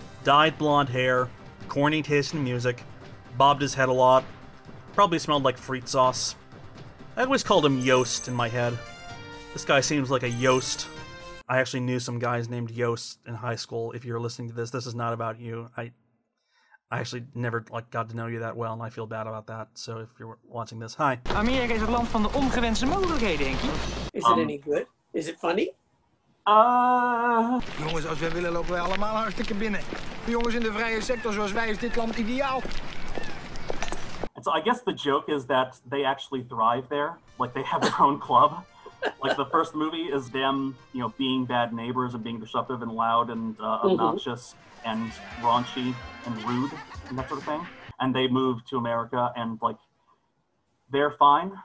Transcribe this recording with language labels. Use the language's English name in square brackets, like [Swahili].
[English] Dyed blonde hair, corny taste in music, bobbed his head a lot, probably smelled like frit sauce. I always called him Joost in my head. This guy seems like a Joost. I actually knew some guys named Joost in high school. If you're listening to this, this is not about you. I actually never like got to know you that well, and I feel bad about that. So if you're watching this, hi. [Dutch] Amerika is het land van de ongewenste mogelijkheden, denk je? [English] Is it any good? Is it funny? [Dutch] Jongens, als wij willen lopen wij allemaal hartstikke binnen. Voor jongens in de vrije sector zoals wij is dit land ideaal. [English] So I guess the joke is that they actually thrive there. Like they have their own club. Like the first movie is them, you know, being bad neighbors and being disruptive and loud and obnoxious and raunchy and rude and that sort of thing. And they move to America and like they're fine.